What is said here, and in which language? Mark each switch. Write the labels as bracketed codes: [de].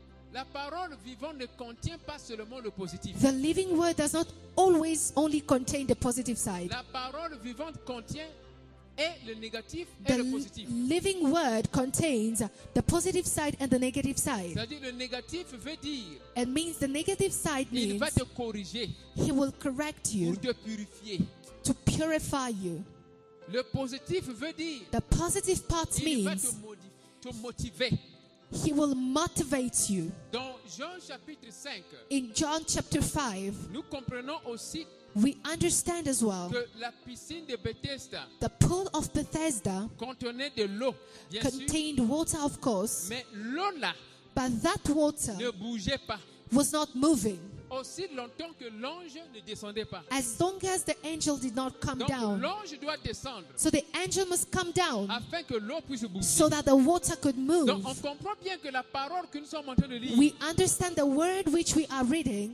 [fr] La parole vivante ne contient pas seulement le positif. [en] The living word does not always only contain the positive side. [fr] La parole vivante contient et le négatif et le positif. [en] The living word contains the positive side and the negative side. [fr] C'est-à-dire le négatif veut dire. [en] It means the negative side means. [fr] Il va te corriger. [en] He will correct you. [fr] Pour te purifier. [en] To purify you. [fr] Le positif veut dire. [en] The positive part means. [fr] Il va te motiver. [en] He will motivate you. [fr] Dans Jean chapitre 5, [en] in John chapter 5, [fr] nous comprenons aussi, [en] we understand as well, [fr] que la piscine de Bethesda, [en] the pool of Bethesda, [fr] contenait de l'eau, bien [en] contained [fr] sûr, [en] water, of course, [fr] mais l'eau là, [en] but that water [fr] ne bougeait pas, [en] was not moving. [fr] Aussi longtemps que l'ange ne descendait pas. [en] As long as the angel did not come [fr] donc, [en] down. [fr] L'ange doit descendre. [en] So the angel must come down. [fr] Afin que l'eau puisse bouger. [en] So that the water could move. [fr] Donc on comprend bien que la parole que nous sommes en train de lire. [en] We understand the word which we are reading.